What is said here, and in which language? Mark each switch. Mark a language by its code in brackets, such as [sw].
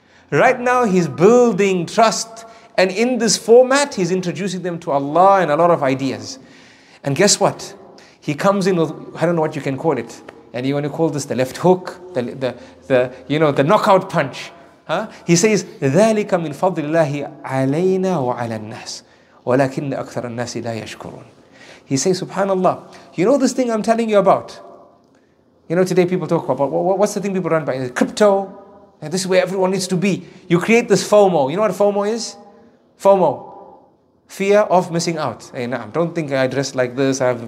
[en] Right now he's building trust. And in this format, he's introducing them to Allah and a lot of ideas. And guess what? He comes in with, I don't know what you can call it. And you want to call this the left hook, the you know, the knockout punch. Huh? He says, [ar] ذَلِكَ مِنْ فَضْلِ اللَّهِ عَلَيْنَا وَعَلَى النَّاسِ وَلَكِنَّ أَكْثَرَ النَّاسِ لَا يَشْكُرُونَ. [en] He says, subhanAllah, you know this thing I'm telling you about? You know, today people talk about, what's the thing people run by? Crypto. And this is where everyone needs to be. You create this FOMO. You know what FOMO is? FOMO. Fear of missing out. Hey, na'am, don't think I dress like this.